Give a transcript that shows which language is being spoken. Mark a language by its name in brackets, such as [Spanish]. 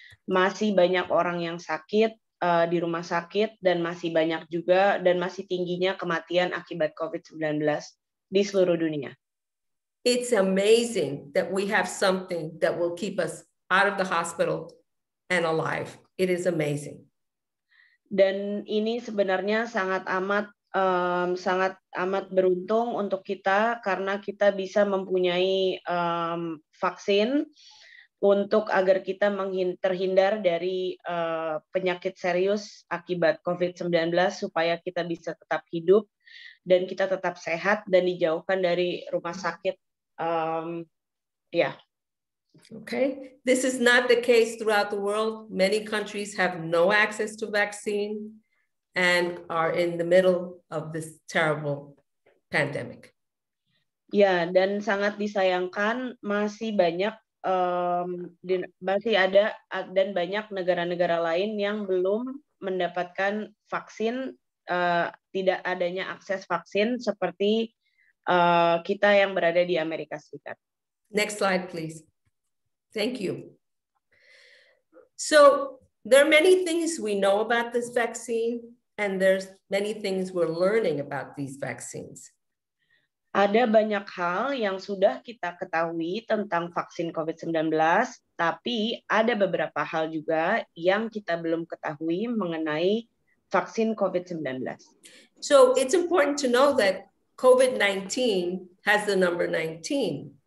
[Indonesian] Masih banyak orang yang sakit di rumah sakit, dan masih banyak juga, dan masih tingginya kematian akibat COVID-19 di seluruh dunia. [English] It's amazing that we have something that will keep us out of the hospital and alive. It is amazing. [Indonesian] Dan ini sebenarnya sangat amat beruntung untuk kita karena kita bisa mempunyai vaksin untuk agar kita terhindar dari penyakit serius akibat COVID-19 supaya kita bisa tetap hidup dan kita tetap sehat dan dijauhkan dari rumah sakit. [English] Okay. This is not the case throughout the world. Many countries have no access to vaccine and are in the middle of this terrible pandemic. [Indonesian] Ya, dan sangat disayangkan masih banyak dan banyak negara-negara lain yang belum mendapatkan vaksin, tidak adanya akses vaksin seperti kita yang berada di Amerika Serikat. [English] Next slide, please. Thank you. So there are many things we know about this vaccine, and there's many things we're learning about these vaccines. [Indonesian] Ada banyak hal yang sudah kita ketahui tentang vaksin COVID-19, tapi ada beberapa hal juga yang kita belum ketahui mengenai vaksin COVID-19. [English] So it's important to know that COVID-19 has the number 19.